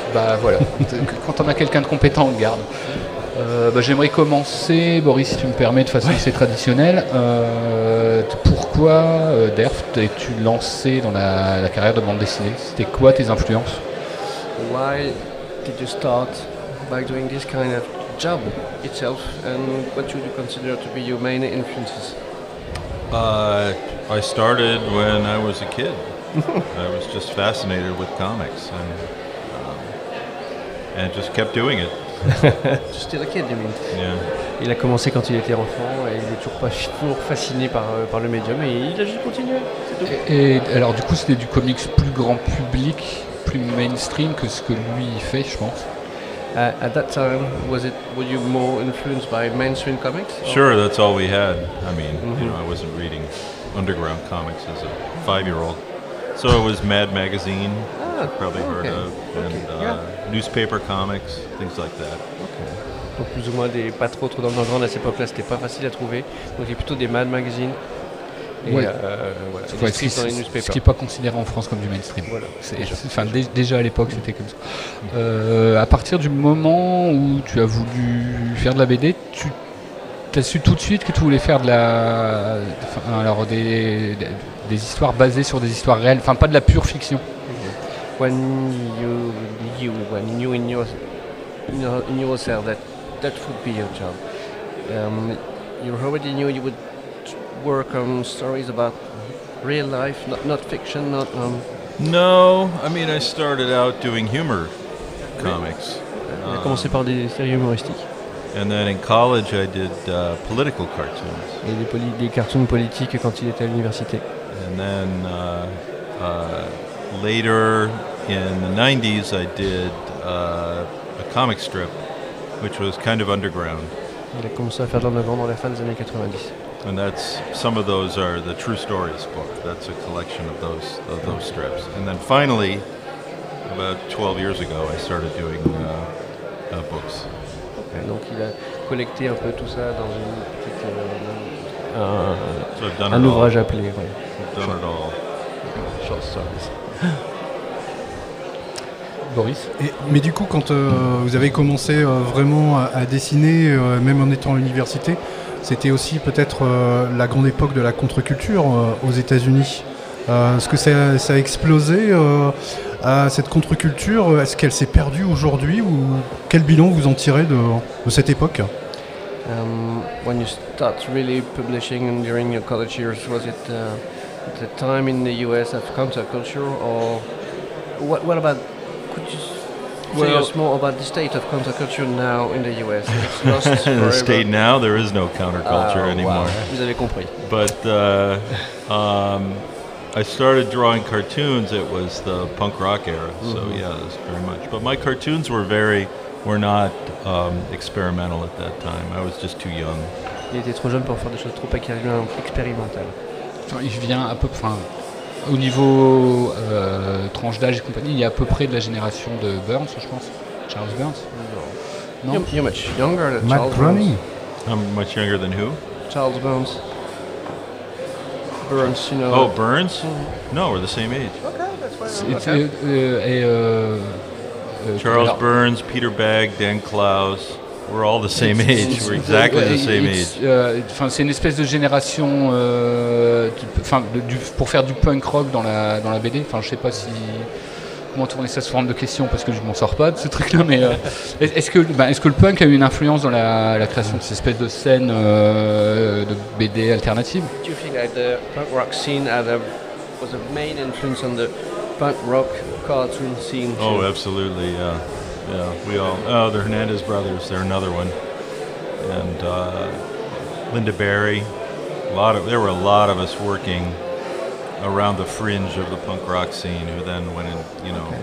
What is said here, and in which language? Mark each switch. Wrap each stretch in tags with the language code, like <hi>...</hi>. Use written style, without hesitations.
<fr>Bah voilà, quand on a quelqu'un de compétent, on le garde. J'aimerais commencer, Boris, si tu me permets, de façon assez traditionnelle. Pourquoi, Derf, t'es-tu lancé dans la carrière de bande dessinée? C'était quoi tes influences?</fr> <en>Why did you start by doing this kind of job itself? And what would you consider to be your main influences? I started when I was a kid. I was just fascinated with comics and just kept doing it. Still a kid, you mean. Yeah.</en> <fr>Il a commencé quand il était enfant et il est toujours fasciné par le médium et il a juste continué. Et alors du coup c'était du comics plus grand public, plus mainstream que ce que lui fait, je pense.</fr> <en>At that time, were you more influenced by mainstream comics? Or? Sure, that's all we had. I mean, you know, I wasn't reading underground comics as a 5-year-old, so it was Mad Magazine. Probably heard of, and newspaper comics, things like that. Okay.</en> <fr>donc plus ou moins des pas trop trop dans le grand à cette époque-là, c'était pas facile à trouver. Donc j'ai plutôt des Mad Magazine. Et, ouais. Voilà, ouais, ce qui n'est pas considéré en France comme du mainstream. Voilà, c'est, déjà, enfin, déjà à l'époque, mmh. c'était comme ça. Mmh. À partir du moment où tu as voulu faire de la BD, tu as su tout de suite que tu voulais faire de la, alors des histoires basées sur des histoires réelles, enfin pas de la pure fiction. Mmh.</fr> <en>When you knew in yourself that would be your job, you already knew you would work on stories about real life, not fiction, not... No, I mean, I started out doing humor comics.</en> <fr>J'ai commencé par des séries humoristiques.</fr> <en>And then in college, I did political cartoons.</en> <fr>Et des cartoons politiques quand il était à l'université.</fr> <en>And then later in the 90s, I did a comic strip, which was kind of underground.</en> <fr>Il a commencé à faire de l'underground dans la fin des années 90.</fr> <en>And that's some of those are the True Stories book. That's a collection of those strips. And then finally, about 12 years ago, I started doing books. Okay.</en> <fr>Donc il a collecté un peu tout ça dans une petite un ouvrage appelé. Ouais.</fr> <en>I've done it all. Short stories. Boris.</en> <fr>Mais du coup, quand vous avez commencé vraiment à dessiner, même en étant à l'université. C'était aussi peut-être la grande époque de la contre-culture aux États-Unis. Est-ce que ça a explosé, cette contre-culture? Est-ce qu'elle s'est perdue aujourd'hui? Ou quel bilan vous en tirez de cette époque?</fr> <en>When you start really publishing during your college years, was it the time in the US of counterculture? Or what about, could you... Well, tell us more about the state of counterculture now in the U.S. In the state now, there is no counterculture anymore.</en> <fr>Wow. Vous avez compris.</fr> <en>But I started drawing cartoons. It was the punk rock era, mm-hmm. So yeah, it was very much. But my cartoons were not experimental at that time. I was just too young.</en> <fr>Il était trop jeune pour faire des choses trop expérimentales. Enfin, il vient à peu près. Au niveau tranche d'âge et compagnie, il y a à peu près de la génération de Burns, je pense. Charles Burns.</fr> <en>No.</en> <fr>Non.</fr> <en>You're much younger than Matt Charles Groening. I'm much younger than who? Charles Burns. Burns, you know. Oh, that. Burns? Mm-hmm. No, we're the same age. Okay, that's fine. Charles Burns, Peter Bagg, Dan Clowes. We're all the same age. We're exactly the same age.</en> <fr>Enfin, c'est une espèce de génération, enfin, pour faire du punk rock dans la BD. Enfin, je sais pas si comment tourner ça sous forme de question parce que je m'en sors pas de ce truc-là. Mais est-ce que le punk a eu une influence dans la création de cette espèce de scène de BD alternative?</fr> <en>Do you think that the punk rock scene was a main influence on the punk rock cartoon scene? Oh, absolutely, yeah. Yeah, we all. Oh, the Hernandez brothers, they're another one. And Linda Barry. There were a lot of us working around the fringe of the punk rock scene who then went in, you know.</en>